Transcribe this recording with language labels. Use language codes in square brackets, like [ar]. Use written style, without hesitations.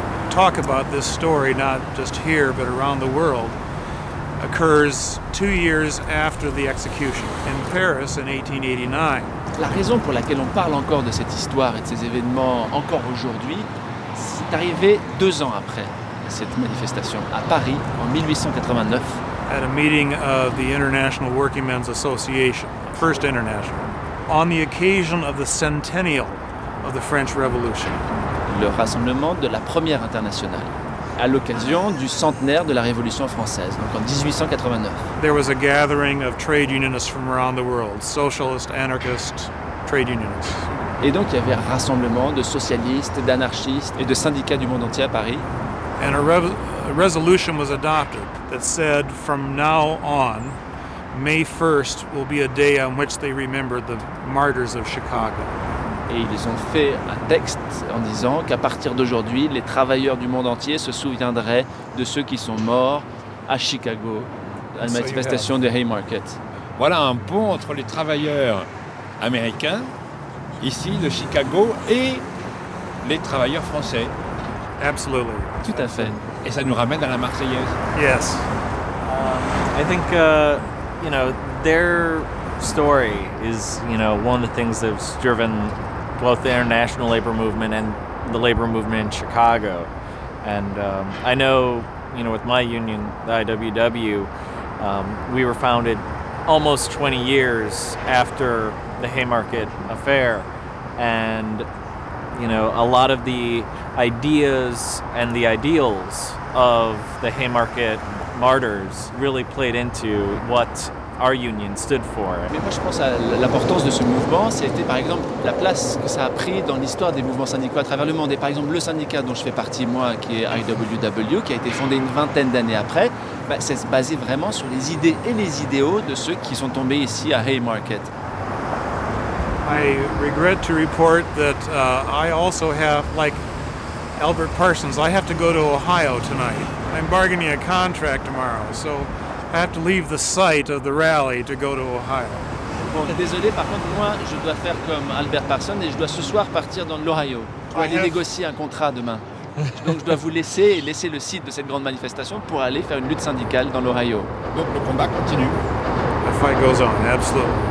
[en] Talk about this story, not just here, but around the world, occurs 2 years after the execution in Paris in 1889. [fr] La raison pour laquelle on parle encore de cette histoire et de ces événements encore aujourd'hui, c'est arrivé 2 ans après cette manifestation, à Paris, en 1889. [en] At a meeting of the International Working Men's Association, First International, on the occasion of the centennial of the French Revolution. [fr] Le rassemblement de la Première Internationale à l'occasion du centenaire de la Révolution française, donc en 1889. [en] There was a gathering of trade unionists from around the world, socialist, anarchist, trade unionists. [fr] Et donc il y avait un rassemblement de socialistes, d'anarchistes et de syndicats du monde entier à Paris. [en] And a resolution was adopted that said from now on, May 1st will be a day on which they remember the martyrs of Chicago. [fr] Et ils ont fait un texte en disant qu'à partir d'aujourd'hui, les travailleurs du monde entier se souviendraient de ceux qui sont morts à Chicago, à la manifestation des Haymarket. Voilà un pont entre les travailleurs américains, ici, de Chicago, et les travailleurs français. [en] Absolutely. [fr] Tout à fait. Et ça nous ramène à la Marseillaise. [en] Yes. I think, you know, their story is, you know, one of the things that's driven both the international labor movement and the labor movement in Chicago. And I know, you know, with my union, the IWW, we were founded almost 20 years after the Haymarket affair. And, you know, a lot of the ideas and the ideals of the Haymarket martyrs really played into what our union stood for. [fr] Mais moi, je pense à l'importance de ce mouvement, c'était par exemple la place que ça a pris dans l'histoire des mouvements syndicaux à travers le monde. Et par exemple, le syndicat dont je fais partie, moi, qui est IWW, qui a été fondé une vingtaine d'années après, bah, c'est basé vraiment sur les idées et les idéaux de ceux qui sont tombés ici à Haymarket. [en] I regret to report that I also have, like Albert Parsons, I have to go to Ohio tonight. I'm bargaining a contract tomorrow, so I have to leave the site of the rally to go to Ohio. [fr] Bon, désolé, par contre, moi, je dois faire comme Albert Parsons et je dois ce soir partir dans l'Ohio pour aller négocier un contrat demain. Donc, je dois vous laisser et laisser le site de cette grande manifestation pour aller faire une lutte syndicale dans l'Ohio. Donc, le combat continue. [en] The fight goes on, absolutely.